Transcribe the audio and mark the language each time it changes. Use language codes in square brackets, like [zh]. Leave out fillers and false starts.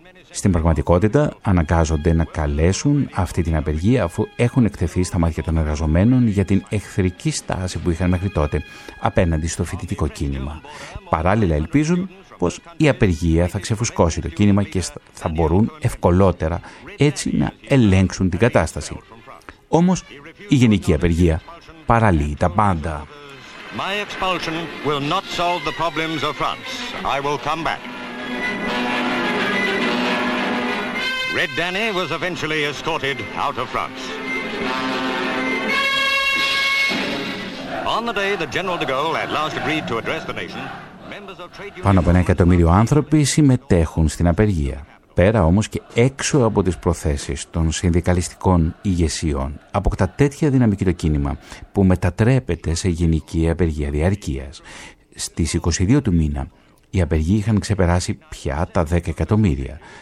[el] Στην πραγματικότητα αναγκάζονται να καλέσουν αυτή την απεργία αφού έχουν εκτεθεί στα μάτια των εργαζομένων για την εχθρική στάση που είχαν μέχρι τότε απέναντι στο φοιτητικό κίνημα. Παράλληλα ελπίζουν πως η απεργία θα ξεφουσκώσει το κίνημα και θα μπορούν ευκολότερα έτσι να ελέγξουν την κατάσταση. Όμως η γενική απεργία παραλύει τα πάντα. [en] My expulsion will not solve the problems of France. I will come back. Red Danny was eventually escorted out of France. On the day that General de Gaulle at last agreed to address the nation, members of trade unions. [el] Πάνω από 1 εκατομμύριο άνθρωποι συμμετέχουν στην απεργία. Πέρα όμως και έξω από τις προθέσεις των συνδικαλιστικών ηγεσιών, αποκτά τέτοια δυναμική το κίνημα που μετατρέπεται σε γενική απεργία διαρκείας. Στις 22 του μήνα, οι απεργοί είχαν ξεπεράσει πια τα 10 εκατομμύρια.